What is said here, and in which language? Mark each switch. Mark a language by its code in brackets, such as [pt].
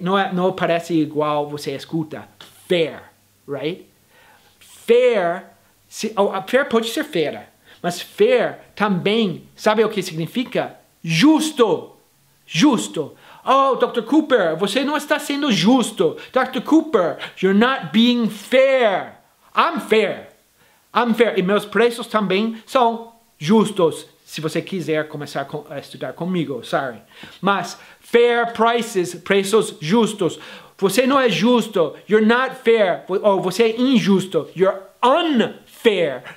[pt] Não parece igual você escuta. [en] Fair, right? [pt] Fair, fair pode ser feira. Mas fair também, sabe o que significa? Justo. Justo. Oh, Dr. Cooper, você não está sendo justo. [en] Dr. Cooper, you're not being fair. I'm fair. I'm fair. [pt] E meus preços também são justos. Se você quiser começar a estudar comigo, sorry. Mas [en] fair prices, [pt] preços justos. Você não é justo. [en] You're not fair. [pt] Oh, você é injusto. [en] You're unfair.